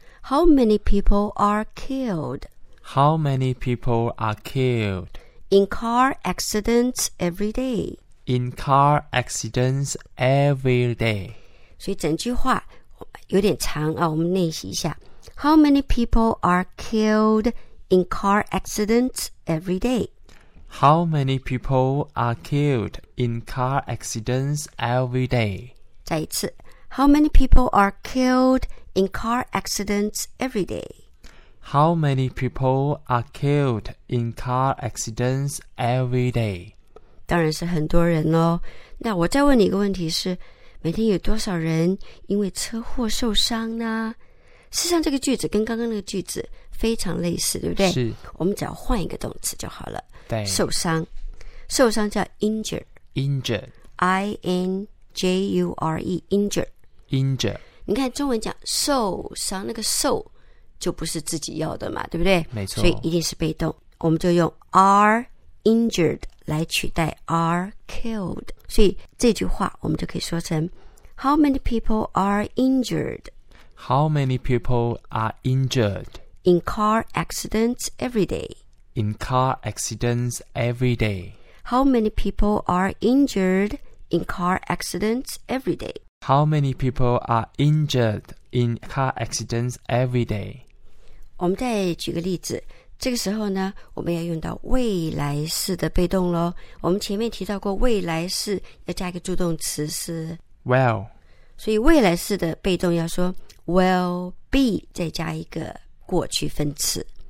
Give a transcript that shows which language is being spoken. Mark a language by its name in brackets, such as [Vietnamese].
[English] how many people are killed how many people are killed in car accidents every day In car accidents every day. [Chinese] 所以整句话有点长啊，我们练习一下。 [English] How many people are killed in car accidents every day? How many people are killed in car accidents every day? [Chinese] 再一次。 [English] How many people are killed in car accidents every day? How many people are killed in car accidents every day? [Chinese] 当然是很多人咯。那我再问你一个问题是，每天有多少人因为车祸受伤呢？事实上这个句子跟刚刚那个句子非常类似，对不对？是。我们只要换一个动词就好了。对。受伤。受伤叫 injure。 [English] injure。 I-N-J-U-R-E, injure。 injure。 [Chinese] 你看中文讲受伤，那个受就不是自己要的嘛，对不对？没错。所以一定是被动。我们就用 [English] are injured。 [Chinese] 来取代 [English] are killed， [Chinese] 所以这句话我们就可以说成 [English] How many people are injured? How many people are injured? In car accidents every day. In car accidents every day. How many people are injured in car accidents every day? How many people are injured in car accidents every day? [Chinese] 我们再举个例子。这个时候呢我们要用到未来式的被动咯，我们前面提到过未来式要加一个助动词是 [English] will， [Chinese] 所以未来式的被动要说 [English] will be [Chinese] 再加一个过去分词。